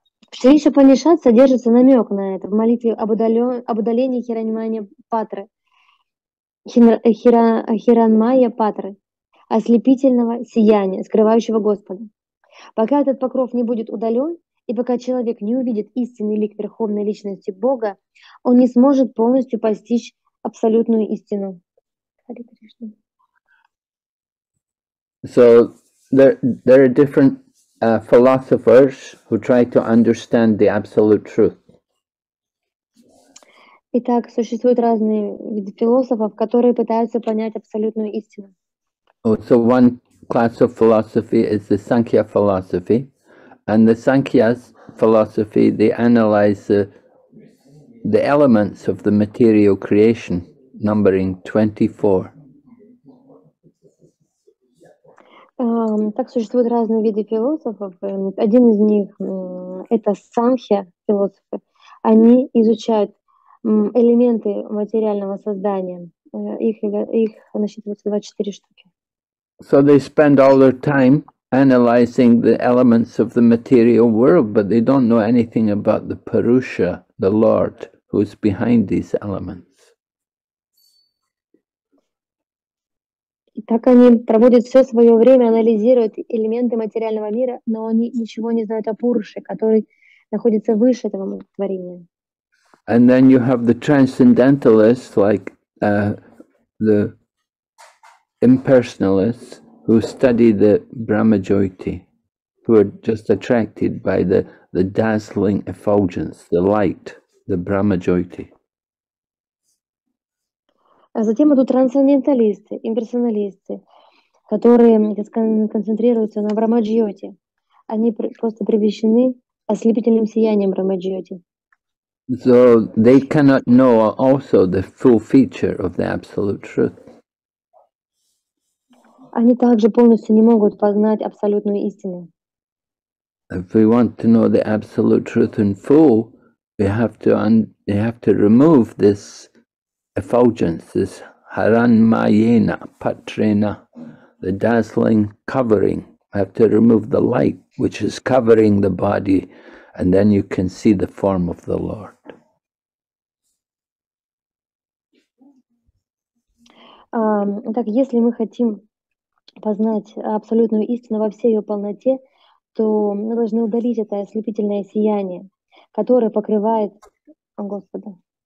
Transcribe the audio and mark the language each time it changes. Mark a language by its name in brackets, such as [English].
[Russian] В Шриша Панишат содержится намек на это в молитве об удалении Хираньмая Патры, Хираньмая Патры, ослепительного сияния, скрывающего Господа. Пока этот покров не будет удален, и пока человек не увидит истинный лик Верховной Личности Бога, он не сможет полностью постичь абсолютную истину. [English] So there are different philosophers who try to understand the absolute truth. [Russian] Итак, существуют разные виды философов, которые пытаются понять абсолютную истину. [English] Oh, so one class of philosophy is the Sankhya philosophy, and the Sankhya's philosophy, they analyze the elements of the material creation, numbering 24. [Russian] Так существуют разные виды философов. Один из них это Санхья философы. Они изучают элементы материального создания. Их насчитывается 24 штуки. [English] So they spend all their time analyzing the elements of the material world, but they don't know anything about the Purusha, the Lord, who's behind these elements. [Russian] Так они проводят все свое время, анализируют элементы материального мира, но они ничего не знают о Пурше, который находится выше этого творения. [English] And then you have the transcendentalists, like the impersonalists, who study the Brahmajyoti, who are just attracted by the dazzling effulgence, the light, the Brahmajyoti. [Russian] А затем идут трансценденталисты, имперсоналисты, которые концентрируются на Брахмаджьоти. Они просто привлечены ослепительным сиянием Брахмаджьоти. [English] So they cannot know also the full feature of the absolute truth. [Russian] Они также полностью не могут познать абсолютную истину. [English] If we want to know the absolute truth in full, we have to remove this effulgence, this haranmayena patrena, the dazzling covering. I have to remove the light which is covering the body, and then you can see the form of the Lord. [Russian] Так, если мы хотим познать абсолютную истину во всей ее полноте, то мы должны удалить это ослепительное сияние, которое покрывает Господа.